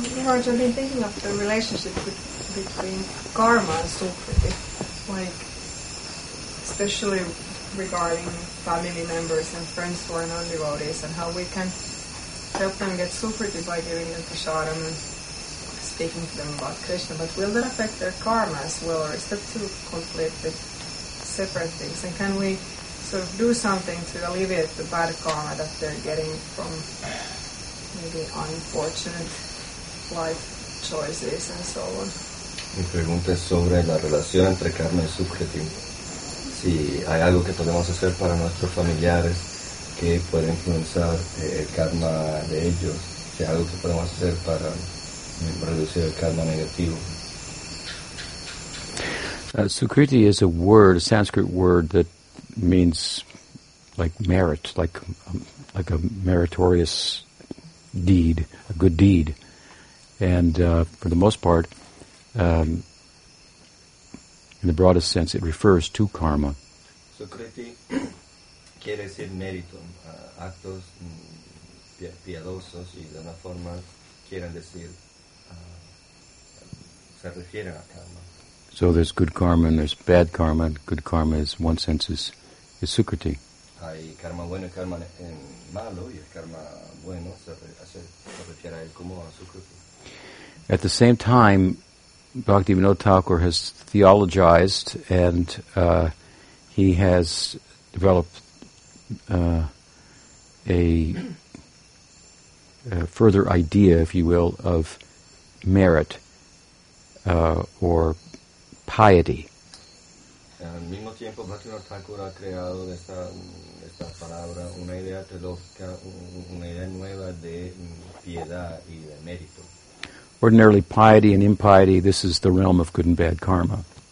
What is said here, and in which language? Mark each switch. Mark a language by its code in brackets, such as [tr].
[en] I've been thinking of the relationship between karma and sukriti, like especially regarding family members and friends who are non-devotees, and how we can help them get sukriti by giving them prasadam and speaking to them about Krishna. But will that affect their karma as well, or is that two completely separate things? And can we sort of do something to alleviate the bad karma that they're getting from maybe unfortunate [es] Mi pregunta es sobre la relación entre karma y sukriti. Si hay algo que podemos hacer para nuestros familiares que puede influenciar el karma de ellos, si hay algo que podemos hacer para reducir el karma negativo. [en] Sukriti is a word, a Sanskrit word that means like merit, like a meritorious deed, a good deed. And for the most part, in the broadest sense, it refers to karma. [es] Sukriti quiere decir mérito, actos piadosos, y de una forma quieren decir, se refieren a karma. [en] So there's good karma and there's bad karma. Good karma, in one sense, is sukriti. [es] Hay karma bueno y karma malo, y el karma bueno se refiere a él como a sukriti. [en] At the same time, Bhaktivinoda Thakur has theologized and he has developed a further idea, if you will, of merit or piety. [es] Al mismo tiempo, Bhaktivinoda Thakur ha creado esta palabra, una idea teológica, una idea nueva de piedad y de mérito. [en] Ordinarily, piety and impiety, this is the realm of good and bad karma.